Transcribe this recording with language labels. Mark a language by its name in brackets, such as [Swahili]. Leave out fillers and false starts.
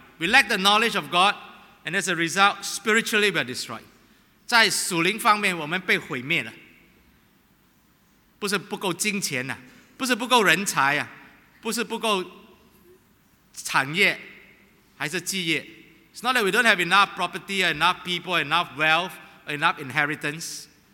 [English] We lack the knowledge of God, and as a result, spiritually we are destroyed. [Chinese] 在属灵方面我们被毁灭了，不是不够金钱，不是不够人才，不是不够产业还是基业。 [English] It's not that we don't have enough property, enough people, enough wealth, or enough inheritance.